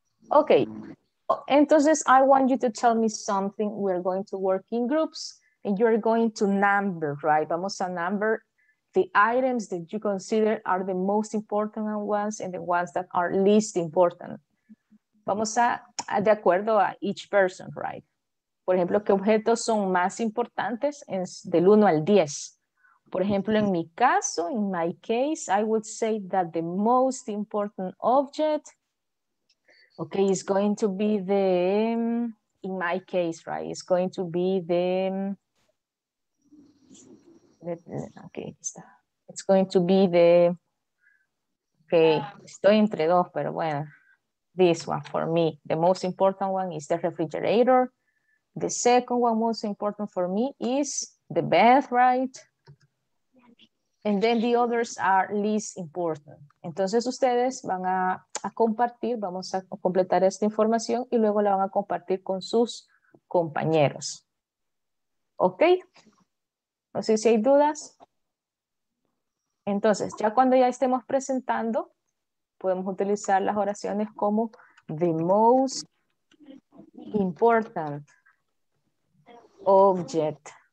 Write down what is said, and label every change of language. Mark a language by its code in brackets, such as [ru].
[en] Okay, [es] entonces [en] I want you to tell me something. We're going to work in groups and you're going to number, right? [es] Vamos a [en] number the items that you consider are the most important ones and the ones that are least important. [es] Vamos a de acuerdo a [en] each person, right? [es] Por ejemplo, ¿qué objetos son más importantes del 1 al 10? Por ejemplo, en mi caso, [en] in my case, I would say that the most important object, okay, it's going to be the, in my case, right? It's going to be the, okay, it's going to be the, okay, [es] estoy entre dos, pero bueno, [en] this one for me. The most important one is the refrigerator. The second one most important for me is the bath, right? And then the others are least important. [es] Entonces ustedes van a compartir, vamos a completar esta información y luego la van a compartir con sus compañeros. ¿Ok? No sé si hay dudas. Entonces, ya cuando ya estemos presentando, podemos utilizar las oraciones como [en] the most important object.